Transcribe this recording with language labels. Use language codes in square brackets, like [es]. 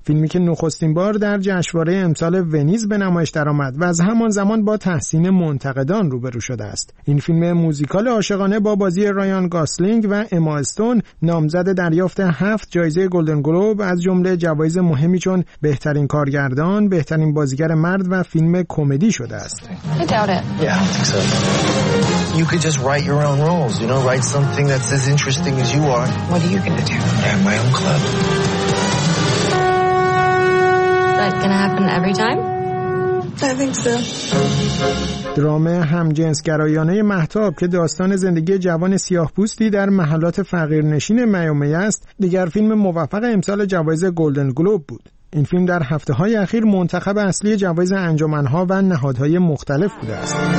[fa] فیلمی که نخستین بار در جشنواره امسال ونیز به نمایش درآمد و از همان زمان با تحسین منتقدان روبرو شده است. این فیلم موزیکال عاشقانه با بازی رایان گاسلینگ و اما استون نامزد دریافت 7 جایزه گلدن گلوب از جمله جوایز مهمی چون بهترین کارگردان، بهترین بازیگر مرد و فیلم کمدی شده است. [en] So, you could just write your own roles, you know, write something that's as interesting as you are. What are you going to do? Yeah, my own club. Is that going to happen every time? I think so. [fa] درام همجنسگرایانه مهتاب که داستان زندگی جوان سیاه‌پوستی در محلات فقیرنشین میامی است، دیگر فیلم موفق امسال جوایز گلدن گلوب بود. این فیلم در هفته‌های اخیر منتخب اصلی جوایز انجمن‌ها و نهادهای مختلف بوده است.